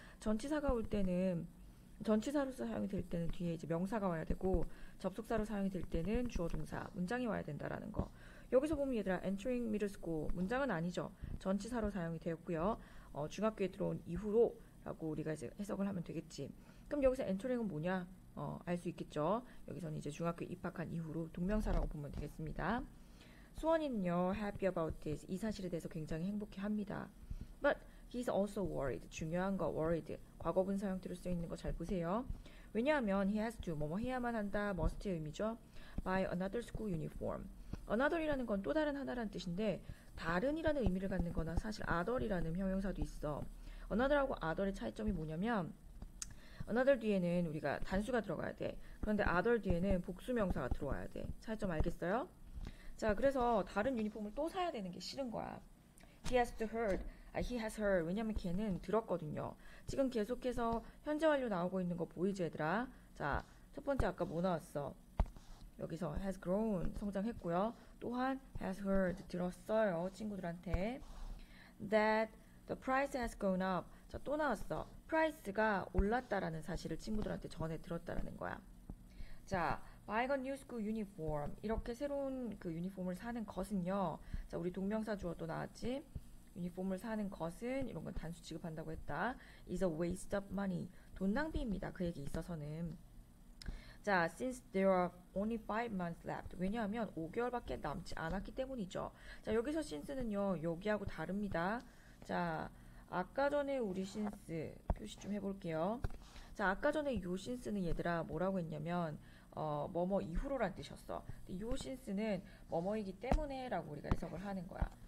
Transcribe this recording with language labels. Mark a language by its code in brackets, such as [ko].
[ko] 전치사가 올 때는 전치사로서 사용이 될 때는 뒤에 이제 명사가 와야 되고, 접속사로 사용이 될 때는 주어 동사 문장이 와야 된다라는 거. 여기서 보면 얘들아 [en] entering middle school [ko] 문장은 아니죠. 전치사로 사용이 되었고요, 중학교에 들어온 이후로 라고 우리가 이제 해석을 하면 되겠지. 그럼 여기서 엔터링은 뭐냐? 알수 있겠죠? 여기서는 이제 중학교 입학한 이후로 동명사라고 보면 되겠습니다. [en] 수원이는요, happy about this. [ko] 이 사실에 대해서 굉장히 행복해 합니다. [en] But he's also worried. [ko] 중요한 거, worried. 과거분 사용태로 쓰여있는 거잘 보세요. 왜냐하면 [en] he has to, [ko] 뭐뭐 해야만 한다, must의 의미죠. [en] buy another school uniform. [ko] another이라는 건또 다른 하나라는 뜻인데, 다른이라는 의미를 갖는 거나 사실 other이라는 형용사도 있어. another하고 other의 차이점이 뭐냐면, another 뒤에는 우리가 단수가 들어가야 돼. 그런데 other 뒤에는 복수명사가 들어와야 돼. 차이점 알겠어요? 자, 그래서 다른 유니폼을 또 사야 되는 게 싫은 거야. [en] He has to heard. He has heard. [ko] 왜냐면 걔는 들었거든요. 지금 계속해서 현재 완료 나오고 있는 거 보이지, 얘들아? 자, 첫 번째 아까 뭐 나왔어? 여기서 [en] has grown. [ko] 성장했고요. 또한 [en] has heard. [ko] 들었어요. 친구들한테. [en] That the price has gone up. [ko] 자, 또 나왔어. price가 올랐다라는 사실을 친구들한테 전에 들었다라는 거야. 자, [en] buy a new school uniform. [ko] 이렇게 새로운 그 유니폼을 사는 것은요. 자, 우리 동명사 주어도 나왔지. 유니폼을 사는 것은, 이런 건 단수 취급한다고 했다. [en] is a waste of money. [ko] 돈 낭비입니다. 그 얘기 있어서는. 자, [en] since there are only 5 months left. [ko] 왜냐하면 5개월밖에 남지 않았기 때문이죠. 자, 여기서 since는요, 여기하고 다릅니다. 자, 아까 전에 우리 신스 표시 좀 해볼게요. 자, 아까 전에 요 신스는 얘들아 뭐라고 했냐면 뭐뭐 이후로란 뜻이었어. 근데 요 신스는 뭐뭐이기 때문에라고 우리가 해석을 하는 거야.